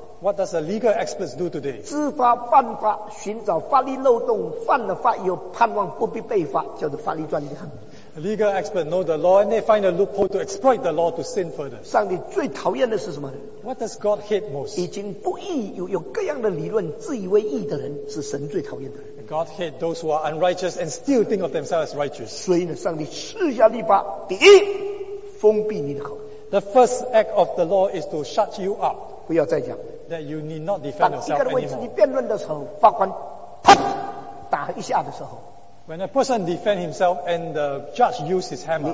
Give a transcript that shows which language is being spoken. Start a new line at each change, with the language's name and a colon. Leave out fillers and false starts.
English: What does a legal expert do today?
Chinese: 知法犯法，寻找法律漏洞，犯了法以后盼望不必被罚，叫做法律专家。
English: Legal expert know the law and they find a loophole to exploit the law to sin further.
Chinese: 上帝最讨厌的是什么呢?
English: What does God hate most?
Chinese: 已经不义有各样的理论自以为义的人是神最讨厌的人。
English: God hate those who are unrighteous and still think of themselves as righteous.
Chinese: 所以呢，上帝赐下律法，第一，封闭你的口。
English: The first act of the law is to shut you up.
Chinese: 不要再讲。
English: That you need not defend yourself anymore.
Chinese: 当一个人为自己辩论的时候，法官啪打一下的时候。
English: When a person defends himself and the judge uses his hammer,